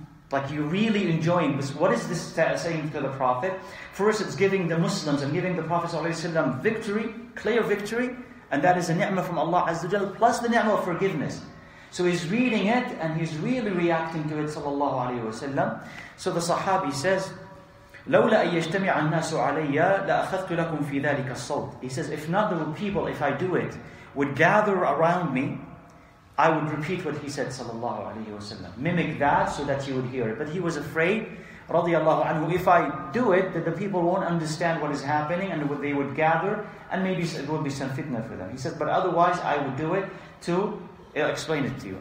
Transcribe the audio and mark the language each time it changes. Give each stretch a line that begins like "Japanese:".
English: Like you're really enjoying this. What is this saying to the Prophet? First, it's giving the Muslims and giving the Prophet ﷺ victory, clear victory, and that is a ni'mah from Allah Azza wa Jalla, plus the ni'mah of forgiveness. So he's reading it and he's really reacting to it sallallahu alayhi wa sallam. So the Sahabi says,
Arabic: لولا أن يجتمع الناس علي لأخذت لكم في ذلك الصوت.
English: He says, if not the people, if I do it, would gather around me, I would repeat what he said sallallahu alayhi wa sallam. Mimic that so that he would hear it. But he was afraid, radiallahu anhu, if I do it, that the people won't understand what is happening and what they would gather, and maybe it will be some fitna for them. He said, but otherwise I would do it to explain it to you.